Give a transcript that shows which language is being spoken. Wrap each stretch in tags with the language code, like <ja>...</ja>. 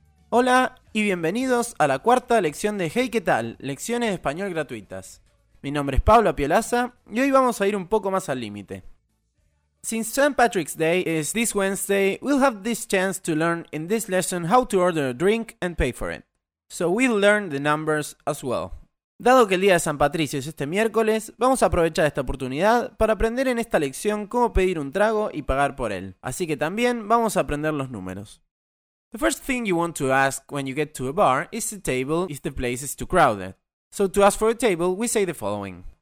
<es>Hola, y bienvenidos a la cuarta lección de Hey, ¿qué tal? Lecciones de español gratuitas. Mi nombre es Pablo Piolaza, y hoy vamos a ir un poco más al límite.</es> <en>Since St. Patrick's Day is this Wednesday, we'll have this chance to learn in this lesson how to order a drink and pay for it. So we'll learn the numbers as well.</en> <es>Dado que el día de San Patricio es este miércoles, vamos a aprovechar esta oportunidad para aprender en esta lección cómo pedir un trago y pagar por él. Así que también vamos a aprender los números.</es> <en>The first thing you want to ask when you get to a bar is the table if the place is too crowded. So to ask for a table, we say the following.</en>